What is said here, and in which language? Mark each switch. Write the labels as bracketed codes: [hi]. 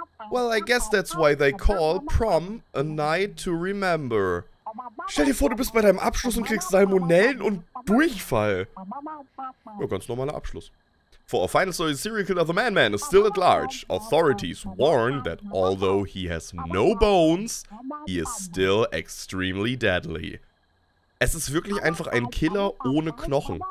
[en] Well, I guess that's why they call prom a night to remember. [de] Stell dir vor, du bist bei deinem Abschluss und kriegst Salmonellen und Durchfall. Ja, ganz normaler Abschluss. [en] For a final story, serial killer the Man-Man is still at large. Authorities warn that although he has no bones, he is still extremely deadly. [de] Es ist wirklich einfach ein Killer ohne Knochen.